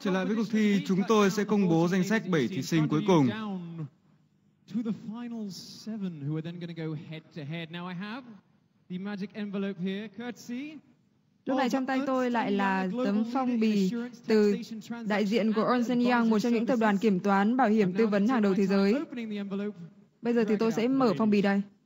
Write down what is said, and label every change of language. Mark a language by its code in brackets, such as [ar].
[vi] Trở lại với cuộc thi, chúng tôi sẽ công bố danh sách 7 thí sinh cuối cùng. [en] To the final 7 who are then going to go head to head. Now I have the magic envelope here, courtesy. [vi] Lúc này trong tay tôi lại là tấm phong bì từ đại diện của Ernst & Young, một trong những tập đoàn kiểm toán bảo hiểm tư vấn hàng đầu thế giới. Bây giờ thì tôi sẽ mở phong bì đây.